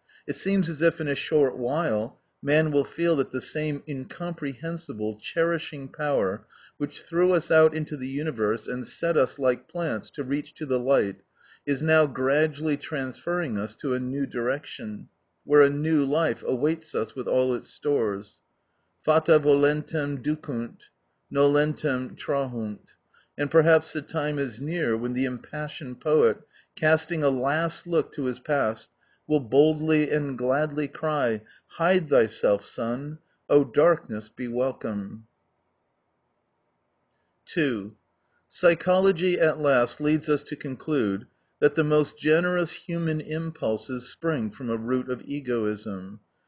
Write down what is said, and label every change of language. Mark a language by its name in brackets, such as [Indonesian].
[English] It seems as if in a short while man will feel that the same incomprehensible, cherishing power which threw us out into the universe and set us like plants to reach to the light is now gradually transferring us to a new direction, where a new life awaits us with all its stores. [Latin] Fata volentem ducunt, nolentem trahunt. [English] And perhaps the time is near when the impassioned poet, casting a last look to his past, will boldly and gladly cry, "Hide thyself, sun, O darkness, be welcome." 2. Psychology at last leads us to conclude that the most generous human impulses spring from a root of egoism.